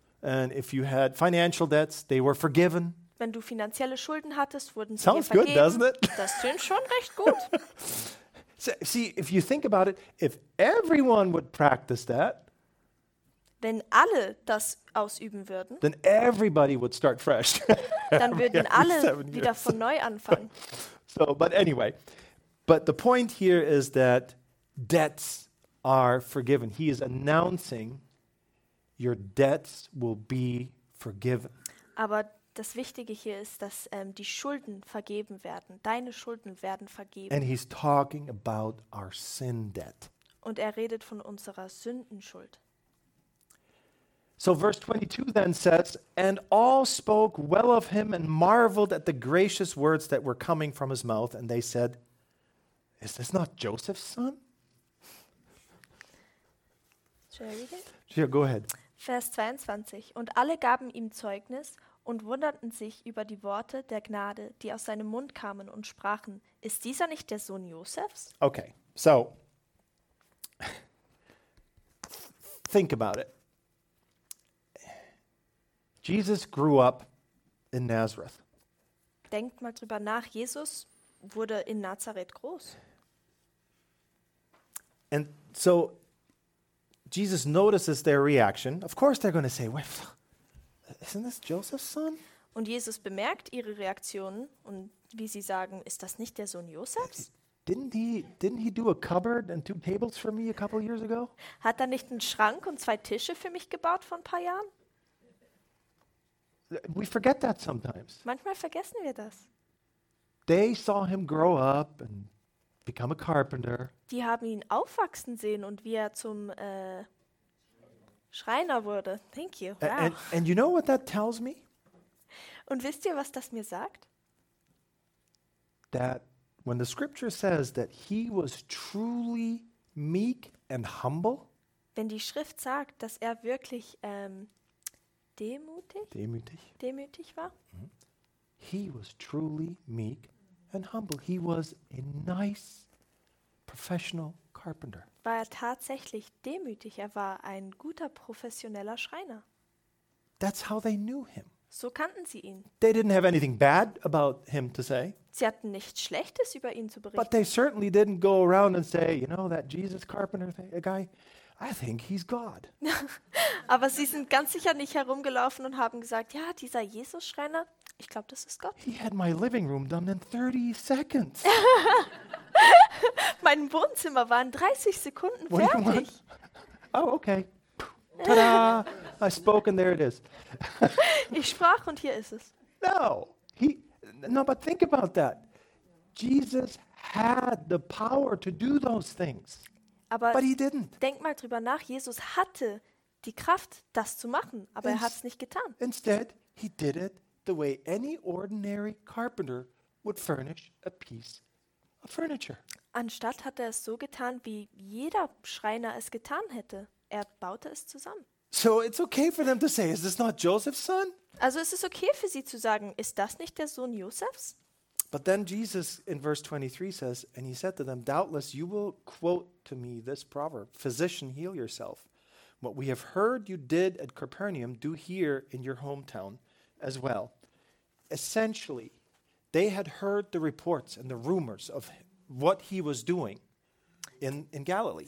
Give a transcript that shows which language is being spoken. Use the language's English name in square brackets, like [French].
[English] And if you had financial debts, they were forgiven. [German] Wenn du finanzielle Schulden hattest, wurden sie [English] Sounds [German] dir vergeben. [English] Sounds good, doesn't it? [German] Das klingt schon recht gut. [English] See, if you think about it, if everyone would practice that, [German] wenn alle das ausüben würden, [English] then everybody would start fresh. [German] Dann würden alle wieder von neu anfangen. [English] So, but anyway, but the point here is that debts are forgiven. He is announcing your debts will be forgiven. [German] Aber das Wichtige hier ist, dass die Schulden vergeben werden. Deine Schulden werden vergeben. [English] And he's talking about our sin debt. [German] Und redet von unserer Sündenschuld. [English] So verse 22 then says, and all spoke well of him and marveled at the gracious words that were coming from his mouth. And they said, is this not Joseph's son? Should I read it? Yeah, go ahead. [German] Vers 22. Und alle gaben ihm Zeugnis und wunderten sich über die Worte der Gnade, die aus seinem Mund kamen und sprachen, ist dieser nicht der Sohn Josefs? [English] Okay, so think about it. Jesus grew up in Nazareth. [German] Denkt mal drüber nach, Jesus wurde in Nazareth groß. [English] And so Jesus notices their reaction. Of course they're going to say, well, isn't this Joseph's son? [German] Und Jesus bemerkt ihre Reaktionen und wie sie sagen, ist das nicht der Sohn Josefs? [English] Didn't he do a cupboard and two tables for me a couple years ago? [German] Hat er nicht einen Schrank und zwei Tische für mich gebaut vor ein paar Jahren? [English] We forget that sometimes. [German] Manchmal vergessen wir das. [English] They saw him grow up and become a carpenter. [German] Die haben ihn aufwachsen sehen und wie er zum Schreiner wurde. [English] Thank you. Wow. And you know what that tells me? [German] Und wisst ihr, was das mir sagt? [English] That when the scripture says that he was truly meek and humble, [German] wenn die Schrift sagt, dass er wirklich demütig war, [English] he was truly meek and humble. He was a nice professional carpenter. [German] War er tatsächlich demütig? Er war ein guter professioneller Schreiner. [English] That's how they knew him. [German] So kannten sie ihn. [English] They didn't have anything bad about him to say. [German] Sie hatten nichts Schlechtes über ihn zu berichten. [English] But they certainly didn't go around and say, you know, that Jesus carpenter guy, I think he's God. [German] Aber sie sind ganz sicher nicht herumgelaufen und haben gesagt, ja, dieser Jesus-Schreiner, ich glaube, das ist Gott. [English] He had my living room done in 30 seconds. [German] Mein Wohnzimmer war in 30 Sekunden fertig. [English] Oh, okay. Tada! I spoke and there it is. [German] Ich sprach und hier ist es. [English] No, but think about that. Jesus had the power to do those things. [German] Aber [English] but he didn't. [German] Denk mal drüber nach. Jesus hatte die Kraft, das zu machen, aber er hat es nicht getan. [English] Instead, he did it the way any ordinary carpenter would furnish a piece of furniture. [German] Anstatt hat er es so getan, wie jeder Schreiner es getan hätte. Er baute es zusammen. [English] So it's okay for them to say, is this not Joseph's son? [German] Also es ist okay für sie zu sagen, ist das nicht der Sohn Josefs? [English] But then Jesus in verse 23 says, and he said to them, doubtless you will quote to me this proverb, physician, heal yourself. What we have heard you did at Capernaum, do here in your hometown as well. Essentially, they had heard the reports and the rumors of what he was doing in Galilee.